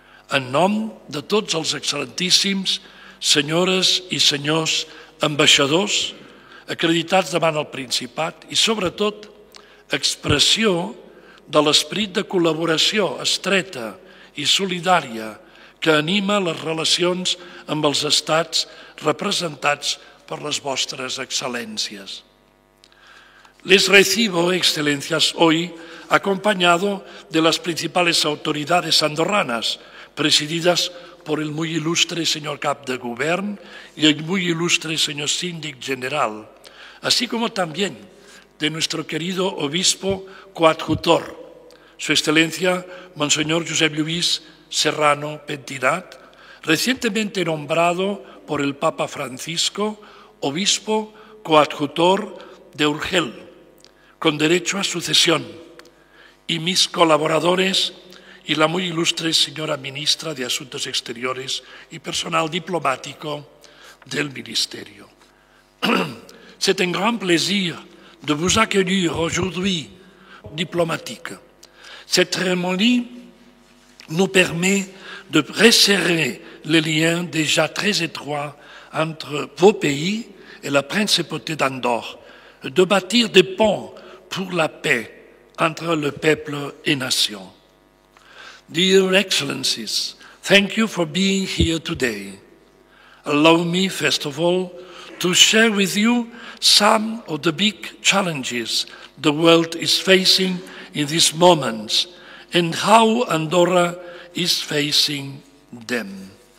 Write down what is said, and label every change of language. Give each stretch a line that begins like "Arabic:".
Catalan: En nom de tots els excel·lentíssims senyores i senyors ambaixadors acreditats davant el Principat i, sobretot, expressió de l'esperit de col·laboració estreta i solidària que anima les relacions amb els estats representats per les vostres excel·lències.
Spanish: Les recibo, excel·lències, hoy acompanyado
Catalan: de les principals autoritats andorranes,
Spanish: presididas por el muy ilustre señor cap de govern y el muy ilustre señor síndic general, así como también de nuestro querido obispo coadjutor, su excelencia Monseñor Josep Lluís Serrano Pentinat, recientemente nombrado por el Papa Francisco obispo coadjutor de Urgel, con derecho a sucesión, y mis colaboradores y la muy ilustre señora ministra de Asuntos Exteriores y personal diplomático del Ministerio.
French: C'est un grand plaisir de vous accueillir aujourd'hui, diplomatique. Cette cérémonie nous permet de resserrer les liens déjà très étroits entre vos pays et la principauté d'Andorre, de bâtir des ponts pour la paix entre le peuple et nations.
English: Dear Excellencies, thank you for being here today. Allow me, first of all, to share with you some of the big challenges the world is facing in these moments and how Andorra is facing them.